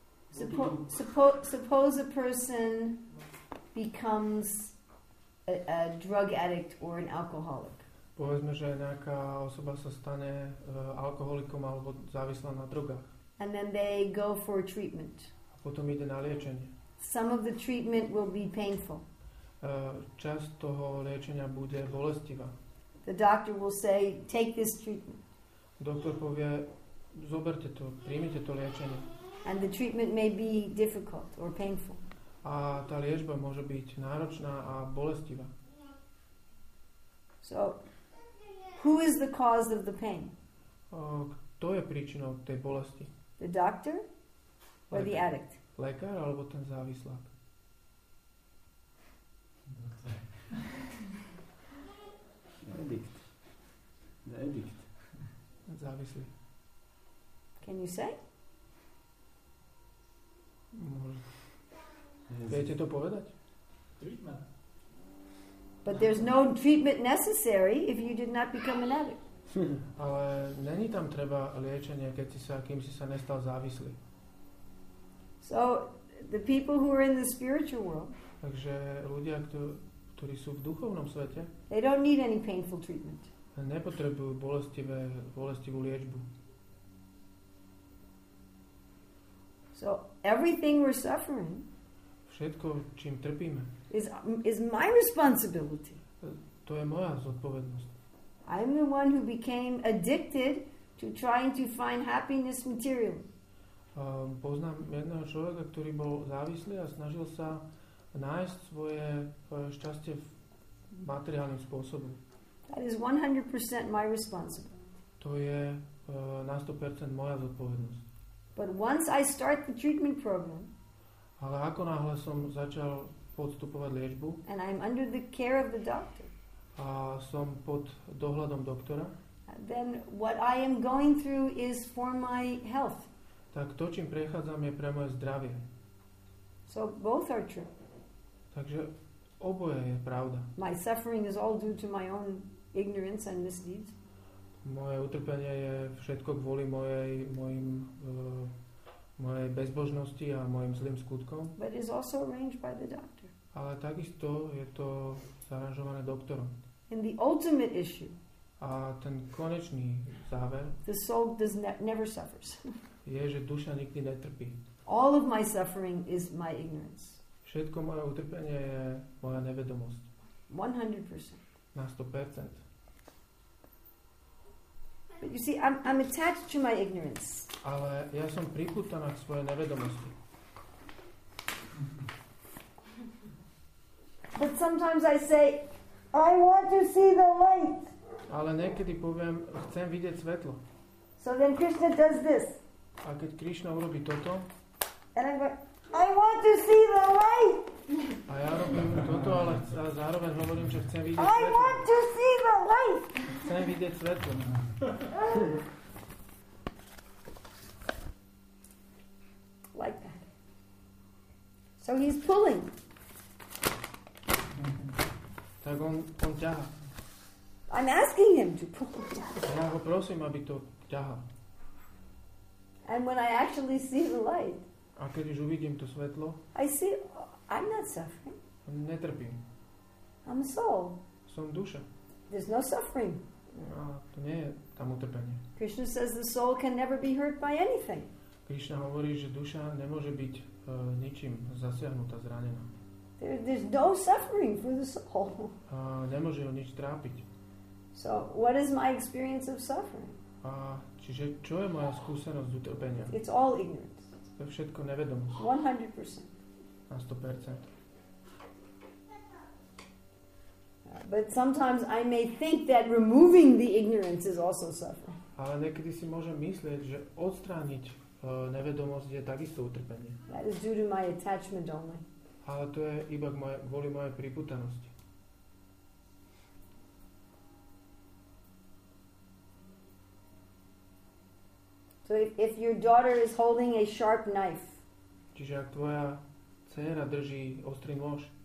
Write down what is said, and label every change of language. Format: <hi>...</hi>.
<en>Suppose a person becomes a drug addict or an alcoholic.</en> <sk>Povedzme, že nejaká osoba sa stane alkoholikom alebo závislá na drogách.</sk> <en>And then they go for a treatment.</en> <sk>A potom ide na liečenie.</sk> <en>Some of the treatment will be painful.</en> <sk>Časť toho liečenia bude bolestivá.</sk> <en>The doctor will say, take this treatment.</en> <sk>Doktor povie, zoberte to, príjmite to liečenie.</sk> <en>And the treatment may be difficult or painful.</en> <sk>A tá liečba môže byť náročná a bolestivá.</sk> <en>So, who is the cause of the pain?</en> <sk>to je príčinou tej bolesti?</sk> <en>The doctor or lekár, the addict?</en> <sk>Lekár alebo ten závislák?</sk> <en>Addict. The addict.</en> <sk>Závislý.</sk> <en>Can you say?</en> <sk>Viete to povedať?</sk> <en>Treatment. But there's no treatment necessary if you did not become an addict.</en> <sk>Ale není tam treba liečenie, keď si sa, kým si sa nestal závislý.</sk> <en>So the people who are in the spiritual world.</en> <sk>Takže ľudia, ktorí sú v duchovnom svete.</sk> <en>They don't need any painful treatment.</en> <sk>Nepotrebujú bolestivú liečbu.</sk> <en>So everything we're suffering.</en> <sk>Všetko, čím trpíme.</sk> <en>Is my responsibility.</en> <sk>To je moja zodpovednosť.</sk> <en>I'm the one who became addicted to trying to find happiness material.</en> <sk>Poznám jedného človeka, ktorý bol závislý a snažil sa nájsť svoje šťastie v materiálnym spôsobe.</sk> <en>That is 100% my responsibility.</en> <sk>To je na 100% moja zodpovednosť.</sk> <en>But once I start the treatment program,</en> <sk>ale ako náhle som začal podstupovať liečbu,</sk> <en>and I'm under the care of the doctor,</en> <sk>a som pod dohľadom doktora,</sk> <en>then what I am going through is for my health.</en> <sk>Tak to, čím prechádzam, je pre moje zdravie.</sk> <en>So both are true.</en> <sk>Takže oboje je pravda.</sk> <en>My suffering is all due to my own ignorance and misdeeds.</en> <sk>Moje utrpenie je všetko kvôli mojej bezbožnosti a mojim zlým skutkom.</sk> <en>But is also arranged by the doctor.</en> <sk>Ale takisto je to zaranžované doktorom.</sk> <en>In the ultimate issue.</en> <sk>A ten konečný záver.</sk> <en>The soul does never suffers.</en> <sk>Je, že duša nikdy netrpí.</sk> <en>All of my suffering is my ignorance.</en> <sk>Všetko moje utrpenie je moja nevedomosť.</sk> <en>100%.</en> <sk>Na 100%.</sk> <en>But you see, I'm attached to my ignorance.</en> <sk>Ale ja som pripútaná k svojej nevedomosti.</sk> <en>But sometimes I say, I want to see the light.</en> <sk>Ale niekedy poviem, chcem vidieť svetlo.</sk> <en>So then Krishna does this.</en> <sk>A keď Krishna urobí toto.</sk> <en>And I'm going, I want to see the light.</en> <sk>A ja robím toto, ale zároveň hovorím, že chcem vidieť svetlo.</sk> <en>I want to see the light.</en> <sk>Chcem vidieť svetlo.</sk> <en>Like that. So he's pulling.</en> <sk>Tak on ťaha.</sk> <en>I'm asking him to pull.</en> <sk>Ja ho prosím, aby to ťahal.</sk> <en>And when I actually see the light.</en> <sk>A keď už uvidím to svetlo.</sk> <en>I see, I'm not suffering.</en> <sk>Netrpím.</sk> <en>I'm a soul.</en> <sk>Som duša.</sk> <en>There's no suffering.</en> <sk>A to nie je tam utrpenie.</sk> <en>Krishna says the soul can never be hurt by anything.</en> <sk>Krishna hovorí, že duša nemôže byť ničím zasiahnutá, zranená.</sk> <en>There's no suffering for the soul.</en> <sk>Nemôže ho nič trápiť.</sk> <en>So what is my experience of suffering?</en> <sk>Čiže čo je moja skúsenosť utrpenia?</sk> <en>It's all ignorance.</en> <sk>To je všetko nevedomosť.</sk> <en>100%.</en> <sk>Na 100%.</sk> <en>But sometimes I may think that removing the ignorance is also suffering.</en> <sk>Ale niekedy si môžem myslieť, že odstrániť nevedomosť je takisto utrpenie.</sk> <en>That is due to my attachment only.</en> <sk>Ale to je iba kvôli mojej pripútanosti.</sk> <en>So if your daughter is holding a sharp knife.</en> <sk>Čiže ak tvoja dcéra drží ostrý nôž.</sk>